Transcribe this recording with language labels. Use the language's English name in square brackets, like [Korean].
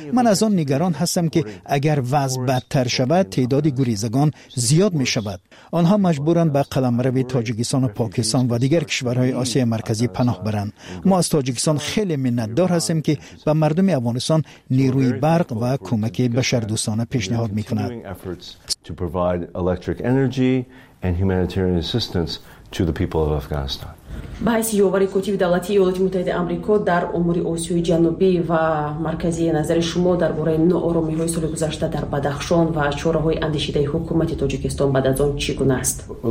[Persian] من از آن نگران هستم که اگر وضع بدتر شود تعداد گریزگان زیاد می‌شود. آنها مجبورند به قلم قلمرو تاجیکستان و پاکستان و دیگر کشورهای آسیای مرکزی پناه برند. ما از تاجیکستان خیلی منتدار هستیم که به مردم افغانستان نیروی برق و کمک بشردوستانه پیشنهاد میکند. [English] To provide electric energy and humanitarian assistance to the people of Afghanistan. [Persian] باعث یووری کوتیب دولتی ایالات متحده آمریکا در امور آسیای جنوبی و مرکزی نظر شما درباره نوآرامی های سال گذشته در بدخشان و چورهای اندیشیده حکومت تاجیکستان بعد از آن چگونه است؟